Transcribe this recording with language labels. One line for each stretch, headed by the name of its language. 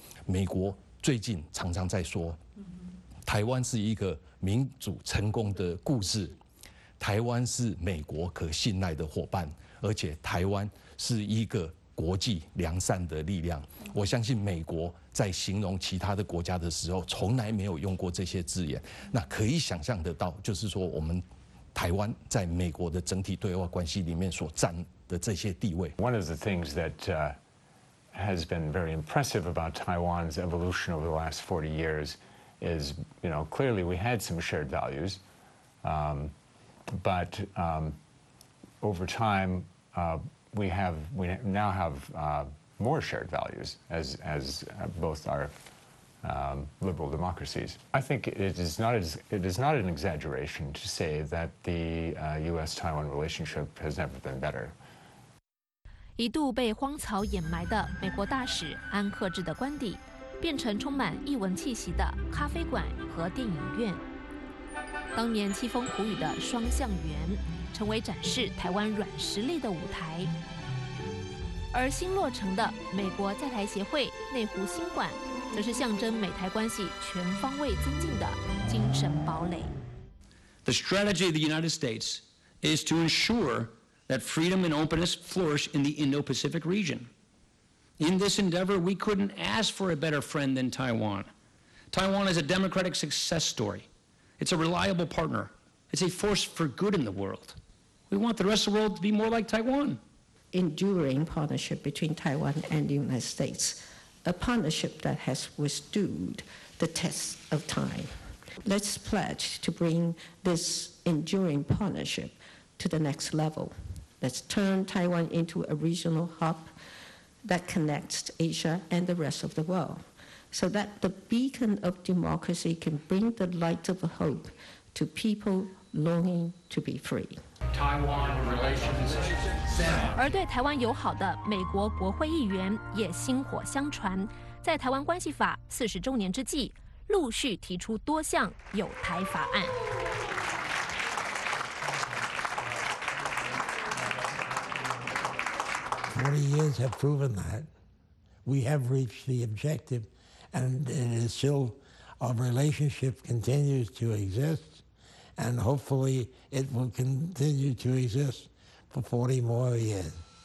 Chinese: 美国最近常常在说台湾是一个民主成功的故事，台湾是美国可信赖的伙伴，而且台湾是一个国际良善的力量。我相信美国在形容其他的国家的时候从来没有用过这些字眼，那可以想象得到，就是说我们台湾在美国的整体对外关系里面所占的这些地位。
English: One of the things that has been very impressive about Taiwan's evolution over the last 40 years is, you know, clearly we had some shared values, but over time we now have more shared values as both our liberal democracies. I think it is not an exaggeration to say that the U.S.-Taiwan relationship has never been better.
Chinese: 一度被荒草掩埋的美国大使安克智的官邸，变成充满异文气息的咖啡馆和电影院。当年凄风苦雨的双向园，成为展示台湾软实力的舞台。而新落成的美国在台协会内湖新馆，则是象征美台关系全方位增进的精神堡垒。
English: The strategy of the United States is to ensure that freedom and openness flourish in the Indo-Pacific region. In this endeavor, we couldn't ask for a better friend than Taiwan. Taiwan is a democratic success story. It's a reliable partner. It's a force for good in the world. We want the rest of the world to be more like Taiwan. Enduring partnership between Taiwan and the United States, a partnership that has withstood the test of time. Let's pledge to bring this enduring partnership to the next level. Let's turn Taiwan into a regional hub that connects Asia and the rest of the world, so that the beacon of democracy can bring the light of hope to people longing to be free.
Chinese: 而对台湾友好的美国国会议员也薪火相传，在台湾关系法四十周年之际，陆续提出多项友台法案。
English: 40 years have proven that we have reached the objective, and it is still our relationship continues to exist. And hopefully it will continue to exist for 40 more years.